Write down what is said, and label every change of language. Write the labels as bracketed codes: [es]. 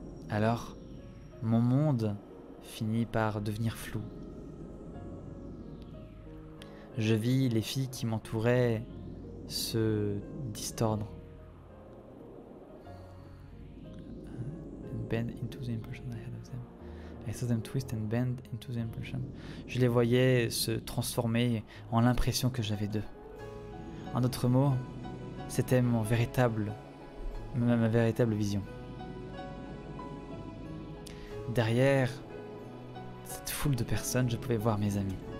[fr] Alors, mon monde finit par devenir flou. Je vis les filles qui m'entouraient se distordre. [en] Bend into the impression I had of them. I saw them twist and bend into the impression. [fr] Je les voyais se transformer en l'impression que j'avais d'eux. En d'autres mots, c'était ma véritable vision. Derrière cette foule de personnes, je pouvais voir mes amis.